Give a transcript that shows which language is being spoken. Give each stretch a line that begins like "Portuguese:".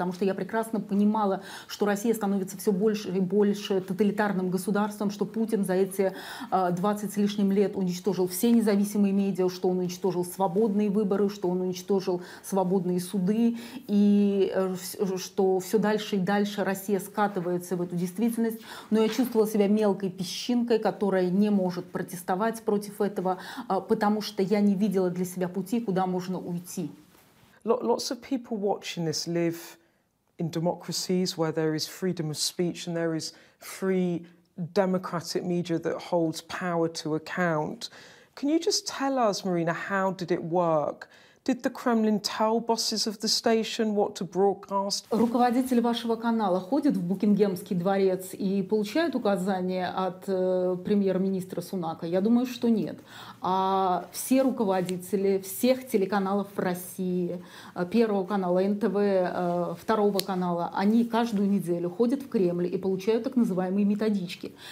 Russian: Потому что я прекрасно понимала, что Россия становится все больше и больше тоталитарным государством, что Путин за эти 20 с лишним лет уничтожил все независимые медиа, что он уничтожил свободные выборы, что он уничтожил свободные суды, и что все дальше и дальше Россия скатывается в эту действительность. Но я чувствовала себя мелкой песчинкой, которая не может протестовать против этого, потому что я не видела для себя пути, куда можно уйти.
English: Lots of people watching this live in democracies where there is freedom of speech and there is free democratic media that holds power to account. Can you just tell us, Marina, how did it work? Did the Kremlin tell bosses of the station what to broadcast?
Russian: Руководитель вашего канала ходит в Букингемский дворец и получает указания от премьер-министра Сунака? Я думаю, что нет. А все руководители всех телеканалов в России, первого канала НТВ, второго канала, они каждую неделю ходят в Кремль и получают так называемые методички.